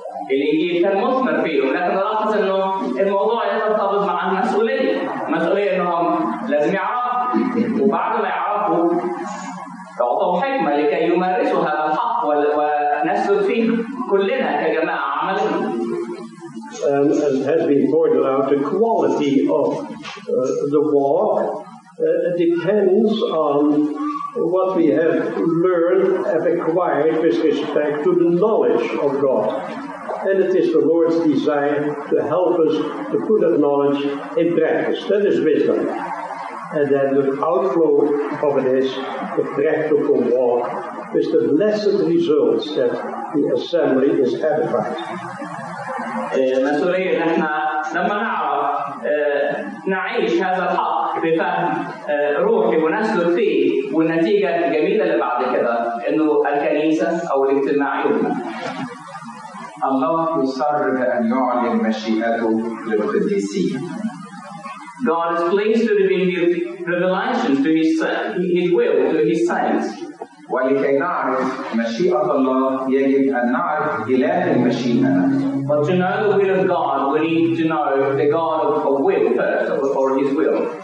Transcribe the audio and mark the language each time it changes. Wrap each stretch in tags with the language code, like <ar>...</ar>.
<ar>اللي كان مثمر فيه ولكن لاحظ انه الموضوع يرتبط مع المسؤوليه. المسؤوليه انهم لازم يعرفوا وبعد ما يعرفوا يعطوا حكمه لكي يمارسوا هذا الحق ونسلك فيه كلنا كجماعه عملنا.</ar> <en>As has been pointed out, the quality of the walk depends on what we have learned and acquired with respect to the knowledge of God. And it is the Lord's desire to help us to put that knowledge in practice. That is wisdom. And then the outflow of it is the practical walk with the blessed results that the assembly is edified.</en> <ar>المسؤولية نحن لما نعرف نعيش هذا الحق بفهم روحي ونسلك فيه والنتيجة الجميلة اللي بعد كده إنه الكنيسة أو الاجتماع يومنا. الله يصر أن يعلن مشيئته للقديسين.</ar> <en>God is pleased to reveal revelations to His will to His saints.</en> <ar>ولكي نعرف مشيئة الله يجب أن نعرف إله المشيئة.</ar> <en>But to know the will of God, we need to know the God of will first, or His will.</en>